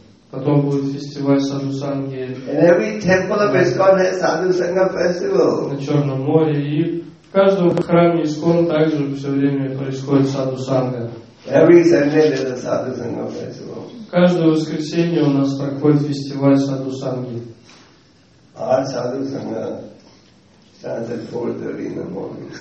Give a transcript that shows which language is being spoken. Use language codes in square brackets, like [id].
[ru] Потом будет фестиваль садхусанги. [en] And every temple of ISKCON has Sadhusanga festival. [ru] На Черном море и в каждом храме ISKCON также все время происходит садхусанга. [en] Every Sunday there's a Sadhusanga festival. [ru] Каждое воскресенье у нас проходит фестиваль садхусанги. [en] Our Sadhusanga starts at 4:30 in the morning.